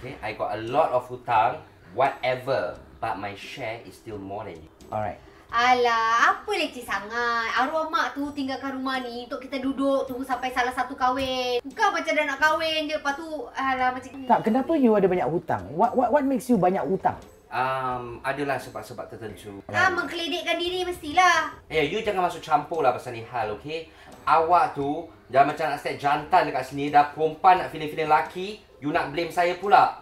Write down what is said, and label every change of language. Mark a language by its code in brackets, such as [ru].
[en] Okay, I got a lot of hutang, whatever, but my share is still more than you. Alright. [ms] Alah, apa leceh sangat? Arwah mak tu tinggalkan rumah ni untuk kita duduk tunggu sampai salah satu kahwin. Bukan macam dah nak kahwin je, lepas tu alah macam ni. Tak, kenapa you ada banyak hutang? [en] What makes you [ms] banyak hutang? Adalah sebab-sebab tertentu. Ah, mengkeledekkan diri mestilah. Yeah, you jangan masuk campur lah pasal ni hal, okey? Awak tu dah macam nak [en] step jantan [ms] dekat sini, dah perempuan nak feeling-feeling lelaki, you nak blame saya pula.